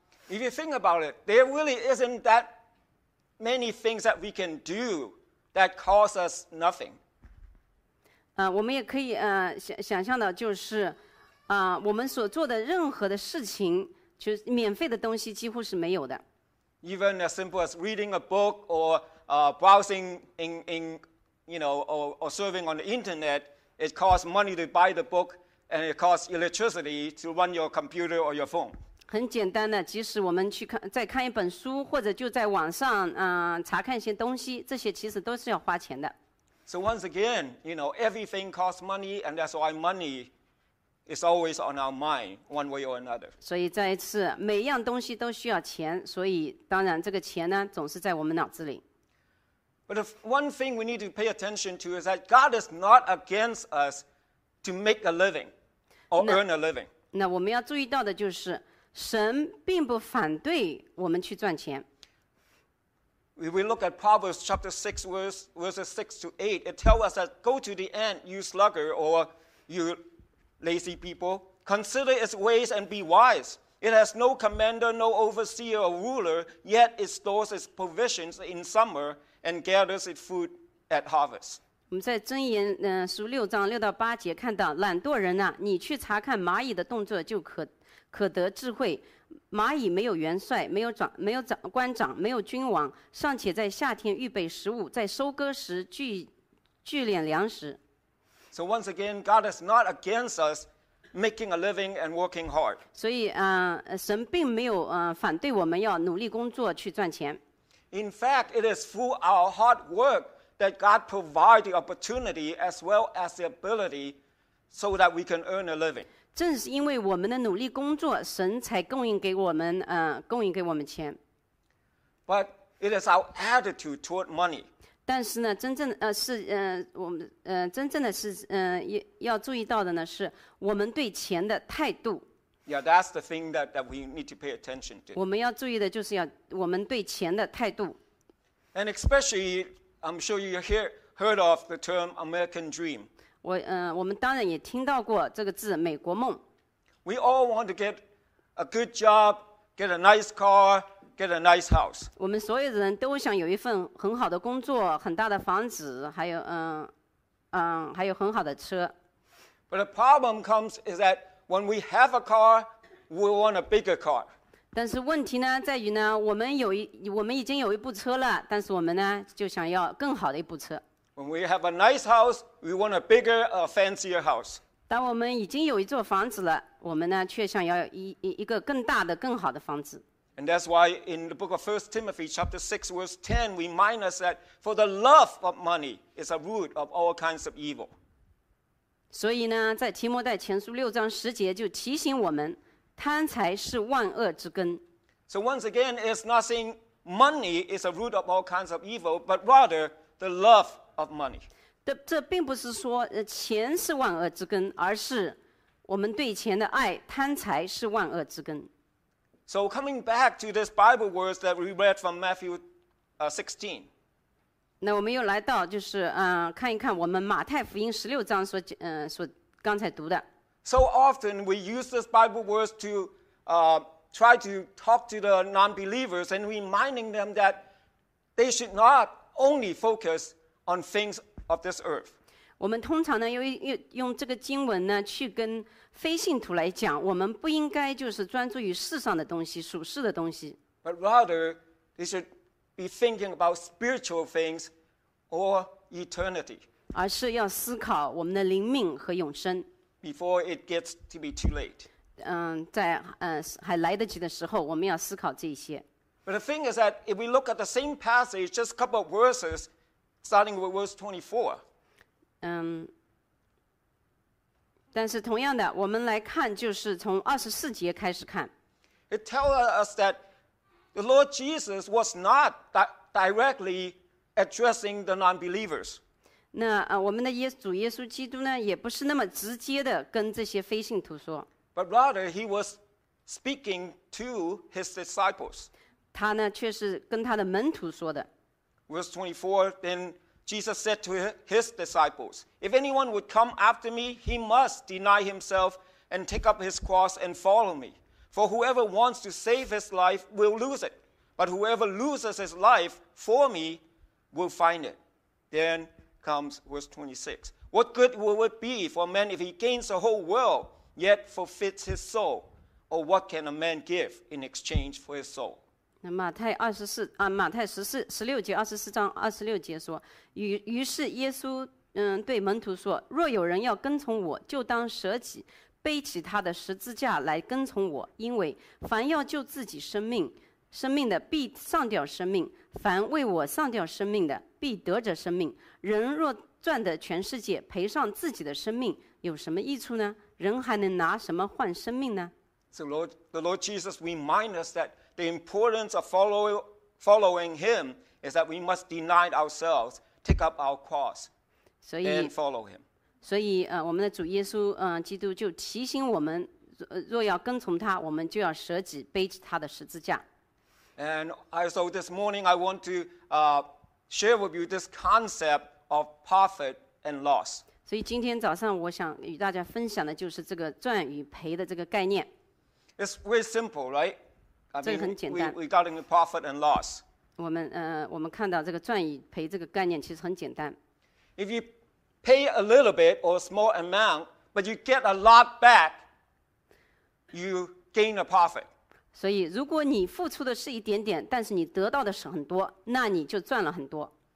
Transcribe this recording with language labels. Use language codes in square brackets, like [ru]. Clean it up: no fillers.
[en] If you think about it, there really isn't that many things that we can do that cost us nothing. [zh] 我们也可以想象的就是我们所做的任何的事情就是免费的东西几乎是没有的。 [en] Even as simple as reading a book or browsing in you know, or serving on the internet, it costs money to buy the book and it costs electricity to run your computer or your phone. [zh] 很简单的，即使我们去看再看一本书或者就在网上查看一些东西，这些其实都是要花钱的。 [en] So once again, you know, everything costs money, and that's why money is always on our mind, one way or another. [zh] 所以再一次，每一样东西都需要钱，所以当然这个钱呢，总是在我们脑子里。 [en] But one thing we need to pay attention to is that God is not against us to make a living or earn a living. [zh] 那我们要注意到的就是，神并不反对我们去赚钱。 [en] We look at Proverbs chapter 6, verses 6 to 8. It tells us that go to the end, you sluggard or you lazy people. Consider its ways and be wise. It has no commander, no overseer or ruler, yet it stores its provisions in summer and gathers its food at harvest. [zh] 我们在箴言十六章六到八节看到，懒惰人啊，你去查看蚂蚁的动作，就可得智慧。蚂蚁没有元帅，没有官长，没有君王，尚且在夏天预备食物，在收割时聚敛粮食。 [en] So once again, God is not against us making a living and working hard. [zh] 所以神并没有反对我们要努力工作去赚钱。 [en] In fact, it is through our hard work. That God provide the opportunity as well as the ability so that we can earn a living. [zh] 正是因为我们的努力工作，神才供应给我们，供应给我们钱。 [en] But it is our attitude toward money. [zh] 但是呢，真正是我们真正的是要注意到的呢，是我们对钱的态度。 [en] Yeah, that's the thing that we need to pay attention to. [zh] 我们要注意的就是要我们对钱的态度。 [en] And especially. I'm sure you heard of the term American dream. [zh] 我们当然也听到过这个字，美国梦。 [en] We all want to get a good job, get a nice car, get a nice house. [zh] 我们所有的人都想有一份很好的工作，很大的房子，还有很好的车。 [en] But the problem comes is that when we have a car, we want a bigger car. [zh] 但是问题呢，在于呢，我们已经有一部车了，但是我们呢，就想要更好的一部车。 [en] When we have a nice house, we want a bigger, a fancier house. [zh] 当我们已经有一座房子了，我们呢，却想要一个更大的、更好的房子。 [en] And that's why in the book of 1 Timothy chapter 6 verse 10, we remind us that for the love of money is a root of all kinds of evil. [zh] 所以呢，在提摩太前书六章十节就提醒我们。贪财是万恶之根。 [en] So once again, it's not saying money is a root of all kinds of evil, but rather the love of money. [zh] 这并不是说钱是万恶之根，而是我们对钱的爱，贪财是万恶之根。 [en] So coming back to this Bible verse that we read from Matthew 16. [zh] 那我们又来到就是看一看我们马太福音十六章所刚才读的。 [en] So often we use this Bible verse to try to talk to the non-believers and reminding them that they should not only focus on things of this earth. [zh] 我们通常呢用这个经文呢去跟非信徒来讲，我们不应该就是专注于世上的东西，属世的东西。 [en] But rather, they should be thinking about spiritual things or eternity. [zh] 而是要思考我们的灵命和永生。 [en] Before it gets to be too late. [zh] 在还来得及的时候，我们要思考这些。 [en] But the thing is that if we look at the same passage, just a couple of verses, starting with verse 24. [zh] 但是同样的，我们来看，就是从二十四节开始看。 [en] It tells us that the Lord Jesus was not directly addressing the non-believers. [zh] 那我们的主耶稣基督呢，也不是那么直接的跟这些非信徒说。 [en] But rather he was speaking to his disciples. [zh] 他呢却是跟他的门徒说的。 [en] Verse 24, then Jesus said to his disciples, "If anyone would come after me, he must deny himself and take up his cross and follow me. For whoever wants to save his life will lose it, but whoever loses his life for me will find it." Then comes verse 26. What good will it be for a man if he gains the whole world yet forfeits his soul? Or what can a man give in exchange for his soul? [zh] 马太16节24章26节说，于是耶稣对门徒说，若有人要跟从我，就当舍己，背起他的十字架来跟从我，因为凡要救自己生命的必丧掉生命，凡为我丧掉生命的必得着生命。人若赚得全世界，赔上自己的生命，有什么益处呢？人还能拿什么换生命呢？ [en] So the Lord Jesus reminds us that the importance of following him is that we must deny ourselves, take up our cross, and follow him. [zh] 所以我们的主耶稣基督就提醒我们，若要跟从他，我们就要舍己，背起他的十字架。 [en] And so this morning I want to share with you this concept of profit and loss. [zh] 所以今天早上我想与大家分享的就是这个赚与赔的这个概念。 [en] It's very simple, right? [zh] 这个很简单。 [en] Regarding the profit and loss. [zh] 我们看到这个赚与赔这个概念其实很简单。 [en] If you pay a little bit or a small amount, but you get a lot back, you gain a profit. [zh] 所以如果你付出的是一点点，但是你得到的是很多，那你就赚了很多。